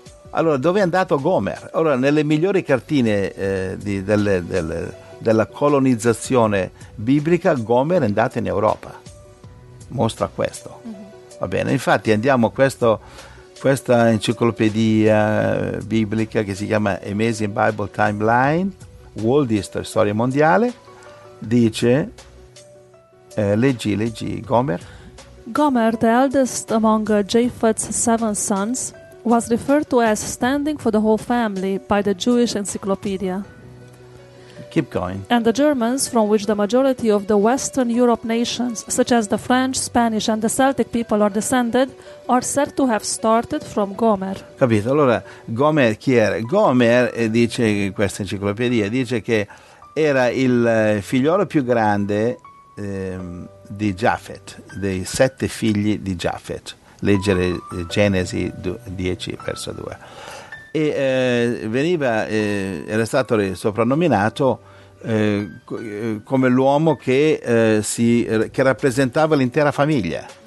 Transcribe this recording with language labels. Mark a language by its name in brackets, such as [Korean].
[Italian] Allora, dove è andato Gomer? Allora, nelle migliori cartine della colonizzazione biblica, Gomer è andato in Europa, mostra questo, va bene, infatti andiamo a questo... Questa enciclopedia biblica che si chiama Amazing Bible Timeline, World History, Storia Mondiale, dice, leggi, Gomer. [English] Gomer, the eldest among Japheth's seven sons, was referred to as standing for the whole family by the Jewish encyclopedia. Keep going. And the Germans, from which the majority of the Western Europe nations, such as the French, Spanish and the Celtic people are descended, are said to have started from Gomer. [Italian] Capito? Allora, Gomer chi era? Gomer, dice questa enciclopedia, dice che era il figliolo più grande di Jafet, dei sette figli di Jafet. Leggere Genesi 10, verso 2. E era stato soprannominato come l'uomo che rappresentava l'intera famiglia.